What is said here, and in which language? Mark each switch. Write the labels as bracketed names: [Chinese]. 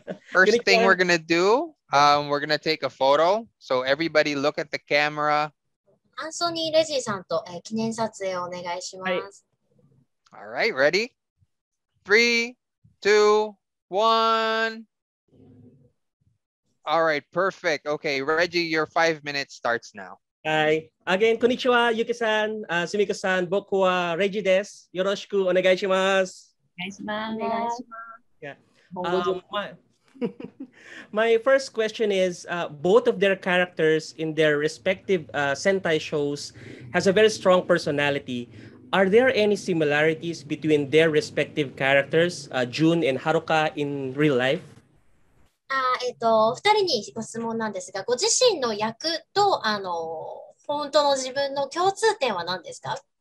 [English] first thing we're going to do, we're going to take a photo. So everybody look at the camera. [Japanese] アンソニー・レジーさんと、記念撮影をお願いします。 [English] はい。All right, ready? 3, 2, 1. All right, perfect. Okay, Reggie, your 5 minutes starts now. はい。Again, konnichiwa, Yuki-san, Sumiko-san, [Japanese] boku wa Reggie desu. よろしくお願いします。お願いします。お願いします。 [English] My first question is, both of their characters in their respective Sentai shows has a very strong personality. Are there any similarities between their respective characters, Jun and Haruka, in real life? [Japanese] お二人にご質問なんですが、ご自身の役と、本当の自分の共通点は何ですか?